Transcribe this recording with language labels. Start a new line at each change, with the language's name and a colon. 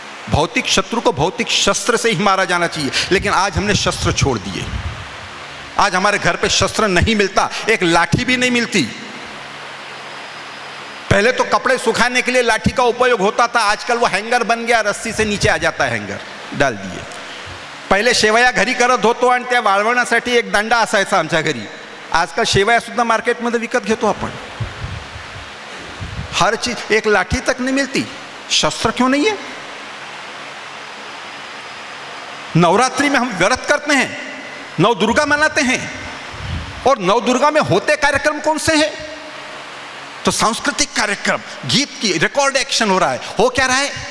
Hindi: भौतिक शत्रु को भौतिक शस्त्र से ही मारा जाना चाहिए, लेकिन आज हमने शस्त्र छोड़ दिए। आज हमारे घर पे शस्त्र नहीं मिलता, एक लाठी भी नहीं मिलती। पहले तो कपड़े सुखाने के लिए लाठी का उपयोग होता था, आजकल वो हैंगर बन गया, रस्सी से नीचे आ जाता है, हैंगर डाल दिए।
Marathi: पहले शेवया घरी करत होतो आणि त्या वाळवण्यासाठी एक दंडा असायचा आमच्या घरी, आजकल शेवया सुद्धा मार्केटमध्ये विकत घेतो आपण।
Hindi: हर चीज, एक लाठी तक नहीं मिलती, शस्त्र क्यों नहीं है? नवरात्रि में हम व्रत करते हैं, नव दुर्गा मनाते हैं, और नव दुर्गा में होते कार्यक्रम कौन से हैं? तो सांस्कृतिक कार्यक्रम, गीत की रिकॉर्ड एक्शन हो रहा है। हो क्या रहा है?